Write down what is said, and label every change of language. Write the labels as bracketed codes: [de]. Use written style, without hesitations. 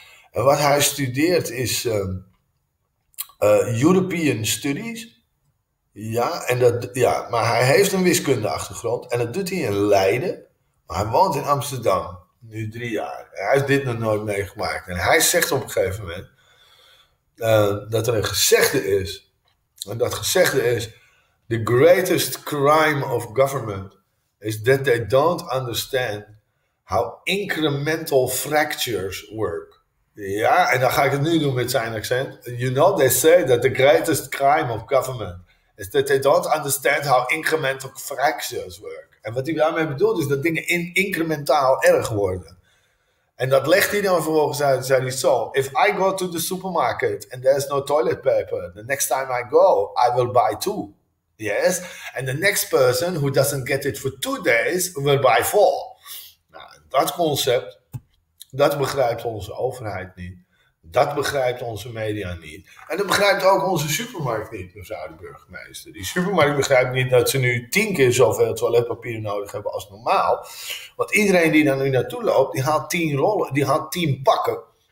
[nl] En wat hij studeert is European Studies. Ja, en dat, ja, maar hij heeft een wiskundeachtergrond. En dat doet hij in Leiden. Maar hij woont in Amsterdam. Nu 3 jaar. Hij heeft dit nog nooit meegemaakt. En hij zegt op een gegeven moment dat er een gezegde is. En dat gezegde is: [en] the greatest crime of government is that they don't understand how incremental fractures work. Ja, en dan ga ik het nu doen met zijn accent. You know, they say that the greatest crime of government is that they don't understand how incremental fractures work. [nl] En wat hij daarmee bedoelt is dat dingen incrementaal erg worden. En dat legt hij dan vervolgens uit, zei hij zo: [en] if I go to the supermarket and there's no toilet paper, the next time I go, I will buy 2. Yes, and the next person who doesn't get it for 2 days will buy 4. [nl] Nou, dat concept, dat begrijpt onze overheid niet. Dat begrijpt onze media niet. En dat begrijpt ook onze supermarkt niet, mevrouw de burgemeester. Die supermarkt begrijpt niet dat ze nu 10 keer zoveel toiletpapier nodig hebben als normaal. Want iedereen die daar nu naartoe loopt, die haalt 10 rollen, die haalt 10 pakken.